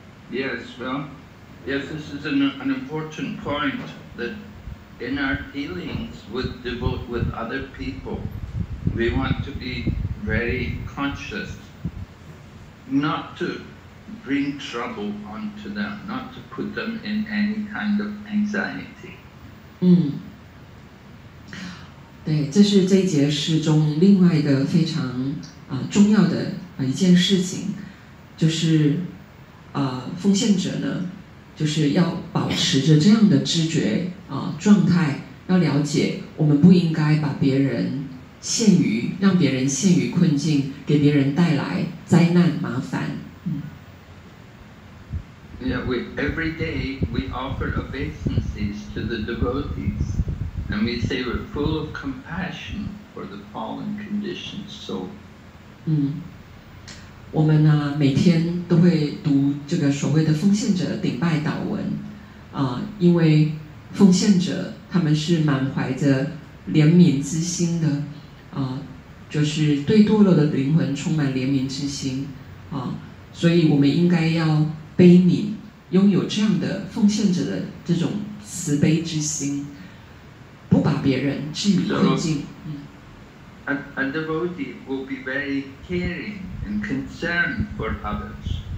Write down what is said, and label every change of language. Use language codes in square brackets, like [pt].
[en] Yes, well, yes, this is an important point that in our dealings with other people, we want to be very conscious not to bring trouble onto them, not to put them in any kind of anxiety. [zh] 对，这是这一节诗中另外一个非常重要的一件事情，就是奉献者呢，就是要保持着这样的知觉状态，要了解我们不应该把别人让别人陷于困境，给别人带来灾难麻烦。 [en] Yeah, every day we offer obeisances to the devotees and we say we're full of compassion for the fallen conditioned soul. [zh] 我们呢每天都会读这个所谓的奉献者顶拜祷文因为奉献者他们是满怀着怜悯之心的就是对堕落的灵魂充满怜悯之心所以我们应该要悲悯拥有这样的奉献者的这种慈悲之心，不把别人置于困境。 [en] A devotee will be very caring and concerned for others.